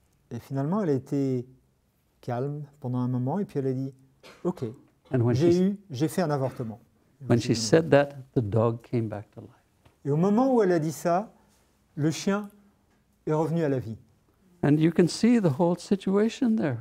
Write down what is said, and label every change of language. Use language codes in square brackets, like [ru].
[fr] Et finalement, elle a été calme pendant un moment, et puis elle a dit, "OK, j'ai fait un avortement." [en] When she said that, the dog came back to life. [fr] Et au moment où elle a dit ça, le chien est revenu à la vie. [en] And you can see the whole situation there.